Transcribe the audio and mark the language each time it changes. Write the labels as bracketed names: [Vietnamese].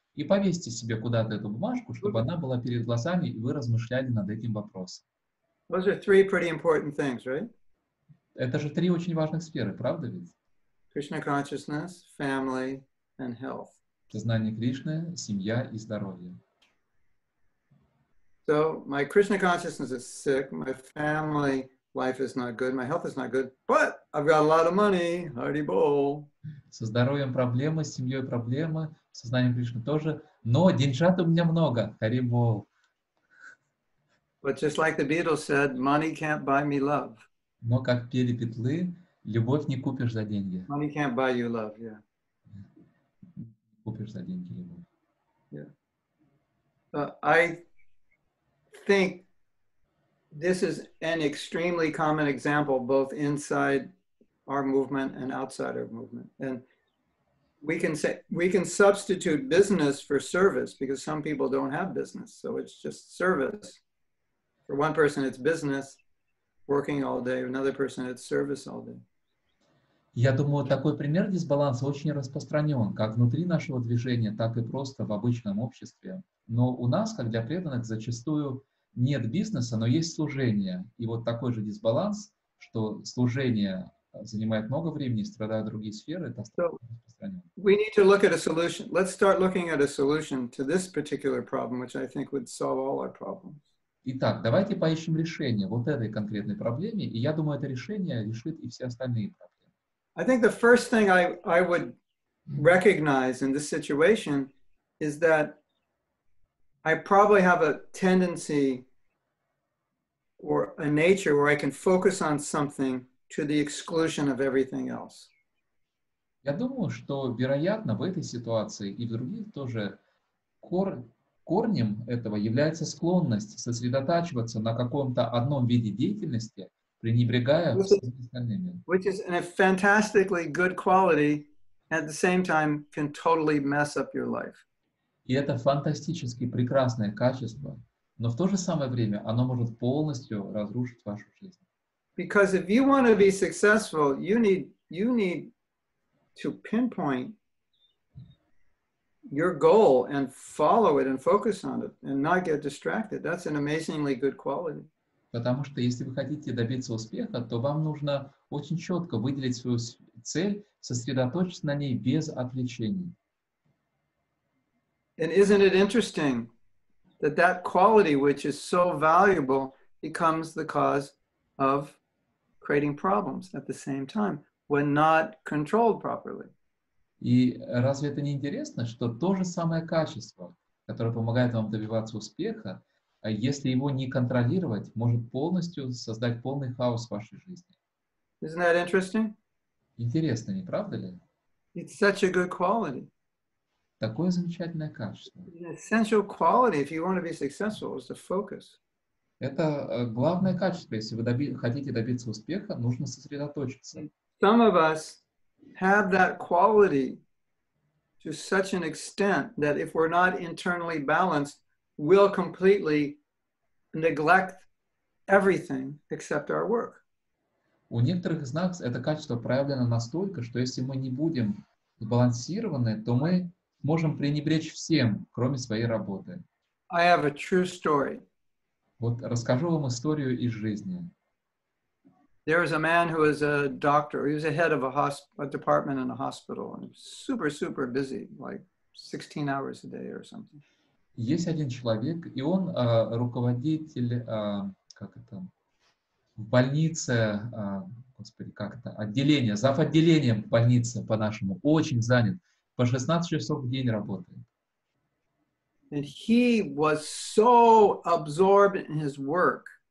[Russian] И повесьте себе куда-то эту бумажку, чтобы она была перед глазами, и вы размышляли над этим вопросом. [English] Those are three pretty important things, right? [Russian] Это же три очень важных сферы, правда ведь? [English] Krishna consciousness, family, and health. [Russian] Сознание Кришны, семья и здоровье. [English] So my Krishna consciousness is sick, my family life is not good, my health is not good, but I've got a lot of money, hari bol. [Russian] Со здоровьем проблемы, с семьей проблемы, сознанием Кришны тоже, но деньжат у меня много, hari bol. [English] But just like the Beatles said, money can't buy me love. [Russian] Но как пели Битлы, любовь не купишь за деньги. [English] Money can't buy you love, yeah. [Russian] Купишь за деньги любовь. [English] Yeah. I think this is an extremely common example both inside our movement and outside our movement. And we can say, we can substitute business for service, because some people don't have business. So it's just service. For one person, it's business, working all day. Another person, it's service all day. [Russian] Я думаю, такой пример дисбаланса очень распространен, как внутри нашего движения, так и просто в обычном обществе. Но у нас, как для преданных, зачастую нет бизнеса, но есть служение. И вот такой же дисбаланс, что служение занимает много времени, страдают другие сферы, это распространен. [English] We need to look at a solution. Let's start looking at a solution to this particular problem, which I think would solve all our problems. [Russian] Итак, давайте поищем решение вот этой конкретной проблеме, и я думаю, это решение решит и все остальные проблемы. [English] I think the first thing I would recognize in this situation is that I probably have a tendency or a nature where I can focus on something to the exclusion of everything else. [Russian] Я думаю, что, вероятно, в этой ситуации и в других тоже корнем этого является склонность сосредотачиваться на каком-то одном виде деятельности, пренебрегая всеми остальными. [English] Which is a fantastically good quality, at the same time can totally mess up your life. [Russian] И это фантастически прекрасное качество, но в то же самое время оно может полностью разрушить вашу жизнь. [English] Because if you want to be successful, you need to pinpoint your goal and follow it and focus on it and not get distracted. That's an amazingly good quality. [Russian] Потому что если вы хотите добиться успеха, то вам нужно очень четко выделить свою цель, сосредоточиться на ней без отвлечений. [English] And isn't it interesting that that quality, which is so valuable, becomes the cause of creating problems at the same time, when not controlled properly? [Russian] И разве это не интересно, что то же самое качество, которое помогает вам добиваться успеха, а если его не контролировать, может полностью создать полный хаос в вашей жизни. [English] Isn't that interesting? [Russian] Интересно, не правда ли? [English] It's such a good quality. [Russian] Такое замечательное качество. [English] It's an essential quality if you want to be successful, is to focus. [Russian] Это главное качество, если вы хотите добиться успеха, нужно сосредоточиться. [English] Some of us have that quality to such an extent that if we're not internally balanced, will completely neglect everything except our work. [Russian] У некоторых из нас это качество проявлено настолько, что если мы не будем сбалансированы, то мы можем пренебречь всем, кроме своей работы. [English] I have a true story. [Russian] Вот расскажу вам историю из жизни. [English] There is a man who is a doctor. He was a head of a department in a hospital and super, super busy, like 16 hours a day or something. [Russian] Есть один человек, и он отделение, зав. Отделением в больнице по-нашему, очень занят, по 16 часов в день работает. [English] And he was so absorbed in his work,